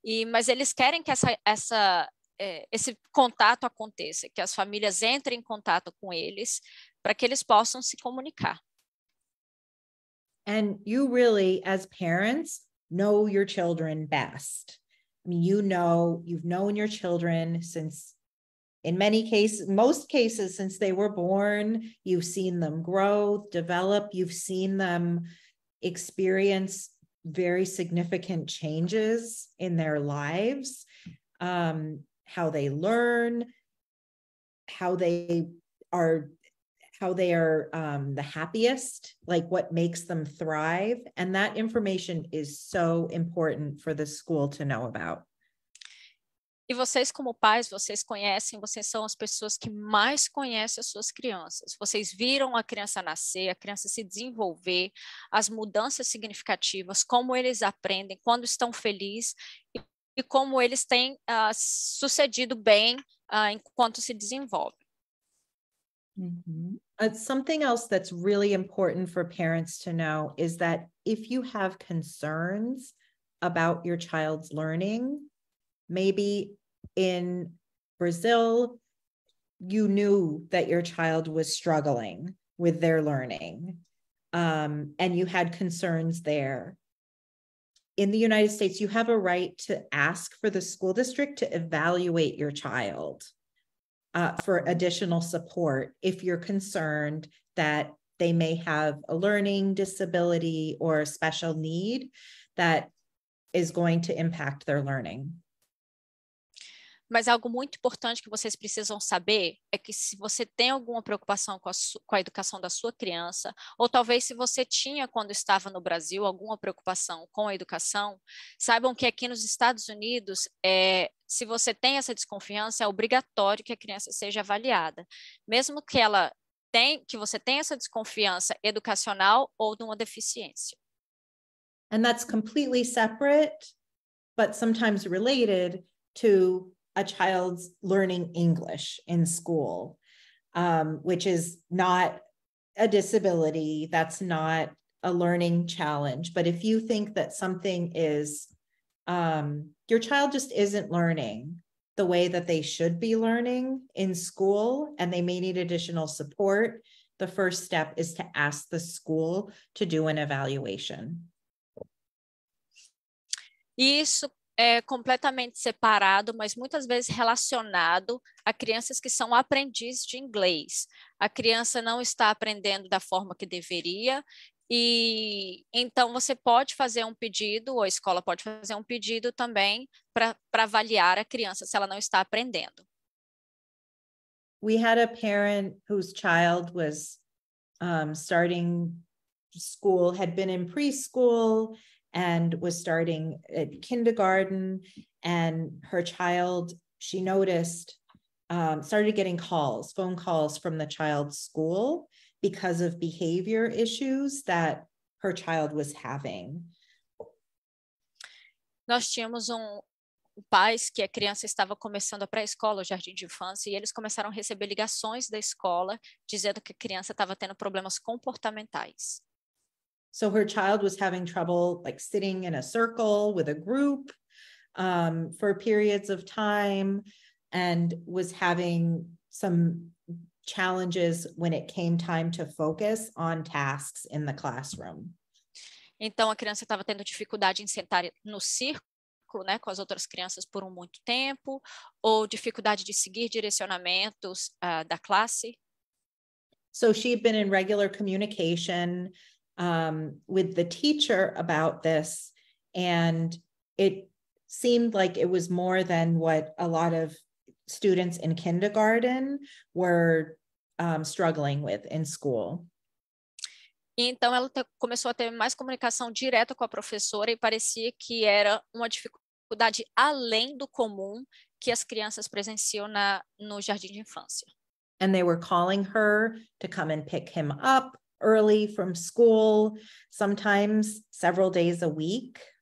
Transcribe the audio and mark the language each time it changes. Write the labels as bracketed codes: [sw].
[pt] Mas eles querem que esse contato aconteça, que as famílias entrem em contato com eles para que eles possam se comunicar. [en] And you really, as parents, know your children best. I mean, you've known your children since, most cases, since they were born. You've seen them grow, develop, you've seen them experience very significant changes in their lives, how they learn, how they are the happiest, like what makes them thrive. And that information is so important for the school to know about. [pt] E vocês como pais, vocês conhecem, vocês são as pessoas que mais conhecem as suas crianças. Vocês viram a criança nascer, a criança se desenvolver, as mudanças significativas, como eles aprendem, quando estão felizes e como eles têm sucedido bem enquanto se desenvolvem. [en] Something else that's really important for parents to know is that if you have concerns about your child's learning, maybe in Brazil, you knew that your child was struggling with their learning, and you had concerns there. In the United States, you have a right to ask for the school district to evaluate your child for additional support if you're concerned that they may have a learning disability or a special need that is going to impact their learning. [pt] Mas algo muito importante que vocês precisam saber é que se você tem alguma preocupação com a educação da sua criança, ou talvez se você tinha quando estava no Brasil alguma preocupação com a educação, saibam que aqui nos Estados Unidos, se você tem essa desconfiança, é obrigatório que a criança seja avaliada. Mesmo que ela tenha, que você tenha essa desconfiança educacional ou de uma deficiência. [en] And that's completely separate, but sometimes related to a child's learning English in school, which is not a disability, that's not a learning challenge. But if you think that something is, your child just isn't learning the way that they should be learning in school and they may need additional support, the first step is to ask the school to do an evaluation. [pt] Isso. Completamente separado, mas muitas vezes relacionado a crianças que são aprendizes de inglês. A criança não está aprendendo da forma que deveria, e então você pode fazer um pedido, ou a escola pode fazer um pedido também para avaliar a criança se ela não está aprendendo. [en] We had a parent whose child was starting school, had been in preschool, and was starting at kindergarten, and her child, she noticed, started getting calls, phone calls from the child's school because of behavior issues that her child was having. [pt] Nós tínhamos pais que a criança estava começando a pré-escola, o jardim de infância, e eles começaram a receber ligações da escola dizendo que a criança estava tendo problemas comportamentais. [en] So her child was having trouble like sitting in a circle with a group for periods of time and was having some challenges when it came time to focus on tasks in the classroom. [pt] Então a criança estava tendo dificuldade em sentar no círculo, né, com as outras crianças por muito tempo, ou dificuldade de seguir direcionamentos da classe. [en] So she'd been in regular communication with the teacher about this, and it seemed like it was more than what a lot of students in kindergarten were struggling with in school. [pt] Então ela começou a ter mais comunicação direta com a professora e parecia que era uma dificuldade além do comum que as crianças presenciam no jardim de infância. [en] And they were calling her to come and pick him up early from school, sometimes several days a week.